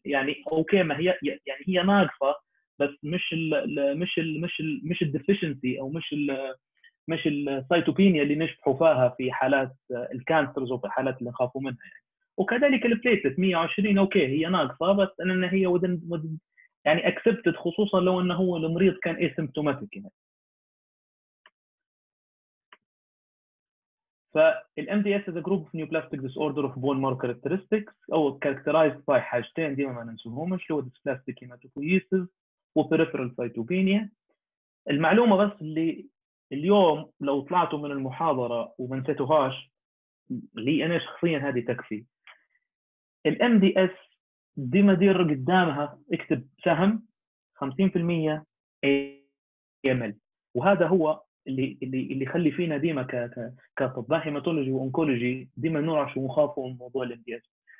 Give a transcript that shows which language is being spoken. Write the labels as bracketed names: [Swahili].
[Arabic] يعني اوكي ما هي يعني هي ناقصه بس مش الـ deficiency او مش السيتوبينيا اللي نشبحوا فيها في حالات الكانسرز وفي حالات اللي خافوا منها. وكذلك البليتلت 120 اوكي هي ناقصه بس ان هي within يعني accepted، خصوصا لو انه هو المريض كان asymptomatic. يعني فال [English] MDS is a group of neoplastic disorder of bone marrow characteristics [Arabic] أو [English] characterized by [Arabic] حاجتين دي ما ننسوهم، اللي هو [English] dysplastic hematopoiesis و peripheral cytopenia. [Arabic] المعلومة بس اللي اليوم لو طلعتوا من المحاضرة ومنسيتوهاش لي أنا شخصيا هذه تكفي. ال MDS دي مدير قدامها اكتب سهم 50% AML، وهذا هو اللي يخلي فينا ديما كطب هيماتولوجي وانكولوجي ديما نرعش ونخاف من موضوع الام دي اس.